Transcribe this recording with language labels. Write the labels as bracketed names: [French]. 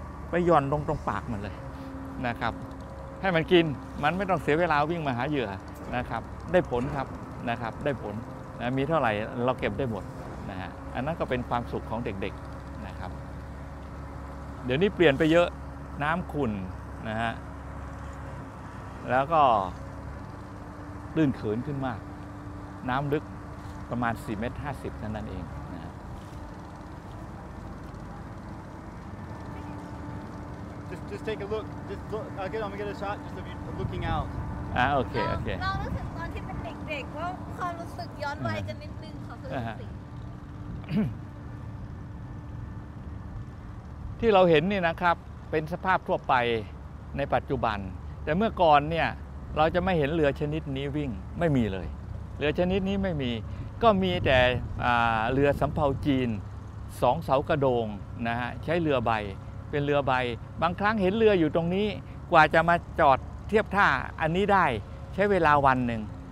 [Thai] ไปหย่อนลงตรงปากมันเลยนะครับให้มันกินมันไม่ต้องเสียเวลาวิ่งมาหาเหยื่อนะครับได้ผลครับนะครับได้ผลนะมีเท่าไหร่เราเก็บได้หมดนะฮะอันนั้นก็เป็นความสุขของเด็กๆนะครับเดี๋ยวนี้เปลี่ยนไปเยอะน้ำขุ่นนะฮะแล้วก็ตื้นเขินขึ้นมากน้ำลึกประมาณ4เมตร50เท่านั้นเองนะฮะ [English] just take a look just look I'm going to get a shot just of you looking out โอเค [Thai] เรารู้สึกตอนที่เป็นเด็กๆว่าความรู้สึกย้อนวัยกันนิดนึงเขาคือ ที่เราเห็นนี่นะครับเป็นสภาพทั่วไปในปัจจุบันแต่เมื่อก่อนเนี่ยเราจะไม่เห็นเรือชนิดนี้วิ่งไม่มีเลยเรือชนิดนี้ไม่มีก็มีแต่เรือสำเภาจีน2เสากระโดงนะฮะใช้เรือใบเป็นเรือใบบางครั้งเห็นเรืออยู่ตรงนี้กว่าจะมาจอดเทียบท่าอันนี้ได้ใช้เวลาวันหนึ่ง